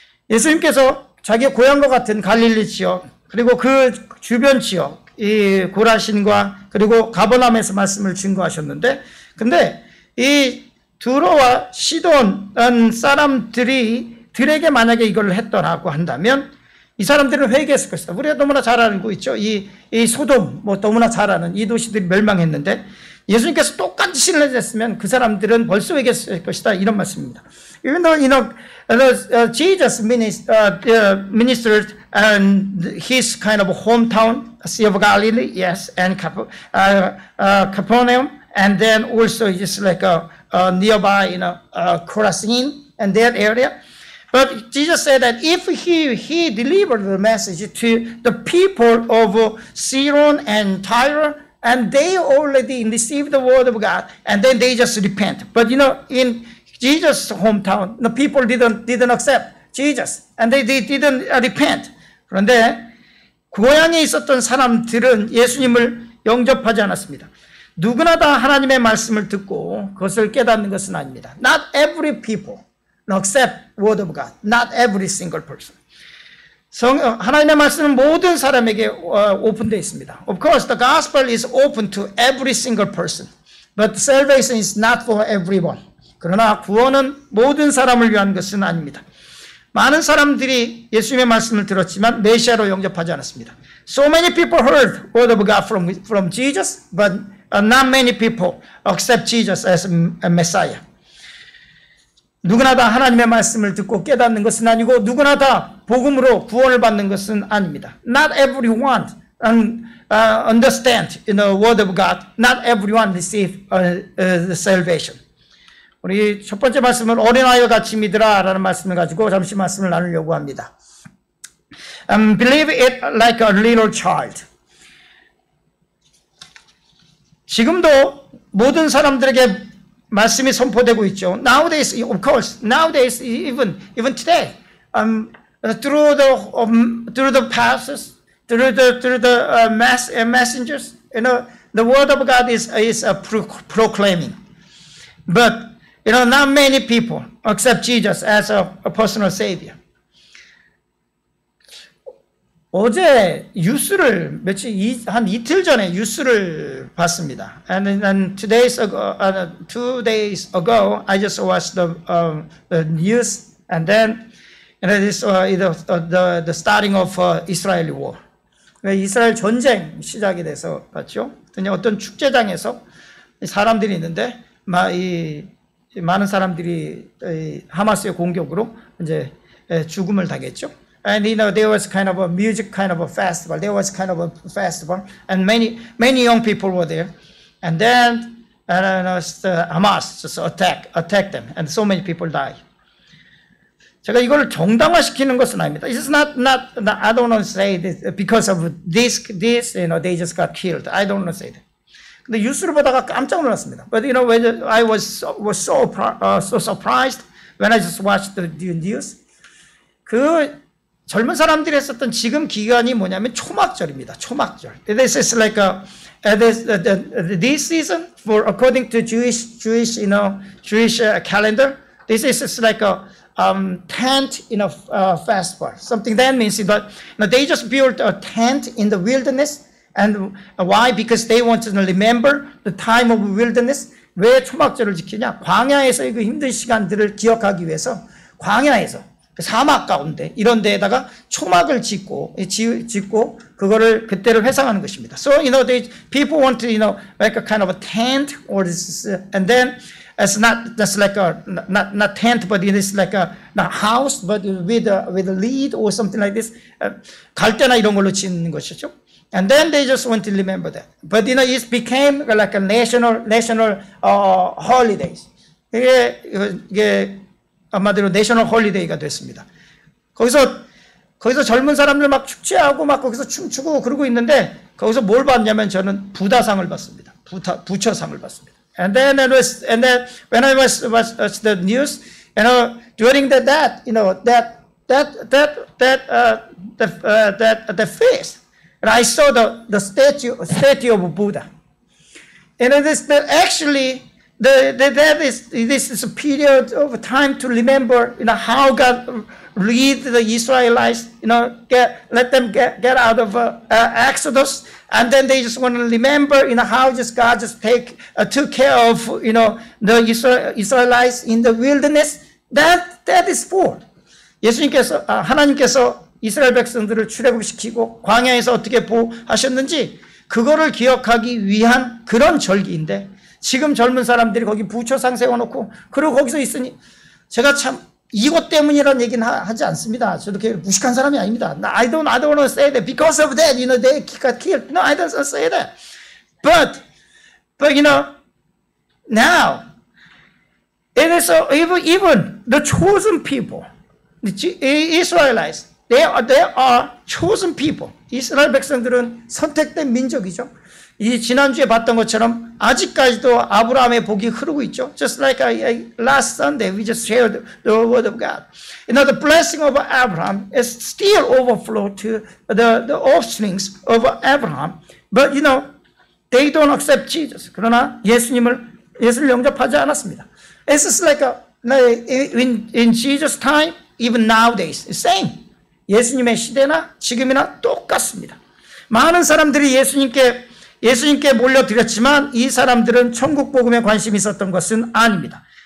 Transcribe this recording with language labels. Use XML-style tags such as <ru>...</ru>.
<ko>예수님께서 자기 고향과 같은 갈릴리 지역 그리고 그 주변 지역 이 고라신과 그리고 가버나움에서 말씀을 증거하셨는데 근데 이 두로와 시돈 사람들이 들에게 만약에 이걸 했더라고 한다면 이 사람들은 회개했을 것이다. 우리가 너무나 잘 알고 있죠. 이 소돔 뭐 너무나 잘 아는 이 도시들이 멸망했는데 예수님께서 똑같이 신뢰했으면 그 사람들은 벌써 회개했을 것이다. 이런 말씀입니다.</ko> <en>Even though you know Jesus ministered and his kind of hometown Sea of Galilee, yes, and Capernaum, and then also just like nearby, you know, Chorazin and that area. But Jesus said that if he delivered the message to the people of Sidon and Tyre, and they already received the word of God, and then they just repent. But you know, in Jesus' hometown, the people didn't accept Jesus, and they didn't repent.</en> <ko>그런데 고향에 있었던 사람들은 예수님을 영접하지 않았습니다. 누구나 다 하나님의 말씀을 듣고 그것을 깨닫는 것은 아닙니다.</ko> <en>Not every people accept word of God. Not every single person.</en> <ko>하나님의 말씀은 모든 사람에게 오픈되어 있습니다.</ko> <en>Of course, the gospel is open to every single person. But salvation is not for everyone.</en> <ko>그러나 구원은 모든 사람을 위한 것은 아닙니다. 많은 사람들이 예수님의 말씀을 들었지만 메시아로 영접하지 않았습니다.</ko> <en>So many people heard word of God from Jesus, but not many people accept Jesus as a Messiah.</en> <ko>누구나 다 하나님의 말씀을 듣고 깨닫는 것은 아니고 누구나 다 복음으로 구원을 받는 것은 아닙니다.</ko> <en>Not everyone understand in the word of God. Not everyone receive the salvation.</en> <ko>우리 첫 번째 말씀은 어린아이와 같이 믿으라 라는 말씀을 가지고 잠시 말씀을 나누려고 합니다.</ko> <en>Believe it like a little child.</en> <ko>지금도 모든 사람들에게 말씀이 선포되고 있죠.</ko> <en>Nowadays, of course, nowadays, even today, through the pastors, through the messengers, you know, the word of God is proclaiming. But you know, not many people accept Jesus as a personal savior.</en> <ko>어제 뉴스를 한 이틀 전에 뉴스를 봤습니다.</ko> <en>And two days ago, I just watched the news, and then you know this the starting of Israeli war.</en> <ko>이스라엘 전쟁 시작이 돼서 봤죠. 그냥 어떤 축제장에서 사람들이 있는데 많은 사람들이 하마스의 공격으로 이제 죽음을 당했죠.</ko> <en>And you know there was kind of a music kind of a festival. There was kind of a festival, and many young people were there. And then Hamas just attack them, and so many people die. 제가 이걸 정당화시키는 것은 아닙니다. It's not I don't want to say this because of this you know they just got killed. I don't want to say that.</en> <ko>근데 뉴스를 보다가 깜짝 놀랐습니다.</ko> <en>But you know, I was so surprised when I just watched the news.</en> <ko>그 젊은 사람들이 했었던 지금 기간이 뭐냐면 초막절입니다. 초막절.</ko> <en>This is like this season for according to Jewish you know Jewish calendar. This is like a tent in a festival. Something that means that you know, they just built a tent in the wilderness. And why? Because they want to remember the time of wilderness.</en> <ko>왜 초막절을 지키냐? 광야에서의 그 힘든 시간들을 기억하기 위해서 광야에서 그 사막 가운데 이런 데에다가 초막을 짓고 그거를 그때를 회상하는 것입니다.</ko> <en>So you know, people want to you know make a kind of a tent or this, and then it's not just like a not tent, but it is like a house, but with a lead or something like this.</en> <ko>갈대나 이런 걸로 짓는 것이죠.</ko> <en>And then they just want to remember that. But you know, it became like a national holidays.</en> <ko>이게 아마대로</ko> <en>national holiday</en> <ko>가 됐습니다. 거기서 거기서 젊은 사람들 막 축제하고 막 거기서 춤추고 그러고 있는데 거기서 뭘 봤냐면 저는 부다상을 봤습니다. 부처상을 봤습니다.</ko> <en>And then it was, and then when I was the news, you know, during the that, you know, that feast, and I saw the statue of Buddha. And it is that actually this is a period of time to remember, you know, how God lead the Israelites, you know, let them get out of Exodus, and then they just want to remember, you know, how just God just took care of, you know, the Israelites in the wilderness. That is for.</en> <ko>예수님께서 하나님께서 이스라엘 백성들을 출애굽시키고 광야에서 어떻게 보호하셨는지 그거를 기억하기 위한 그런 절기인데 지금 젊은 사람들이 거기 부처상 세워놓고 그리고 거기서 있으니 제가 참 이것 때문이라는 얘기는 하지 않습니다. 저도 무식한 사람이 아닙니다.</ko> <en>I don't want to say that because of that, you know, they got killed. No, I don't want to say that. But you know, now it is even the chosen people. The Israelites, they are chosen people.</en> <ko>이스라엘 백성들은 선택된 민족이죠. 이 지난주에 봤던 것처럼 아직까지도 아브라함의 복이 흐르고 있죠.</ko> <en>Just like last Sunday, we just shared the word of God. You know, the blessing of Abraham is still overflow to the offsprings of Abraham. But you know, they don't accept Jesus.</en> <ko>그러나 예수님을 영접하지 않았습니다.</ko> <en>It's just like in Jesus' time. Even nowadays, same.</en> <ko>예수님의 시대나 지금이나 똑같습니다. 많은 사람들이 예수님께 몰려들었지만 이 사람들은 천국 복음에 관심이 있었던 것은 아닙니다.</ko>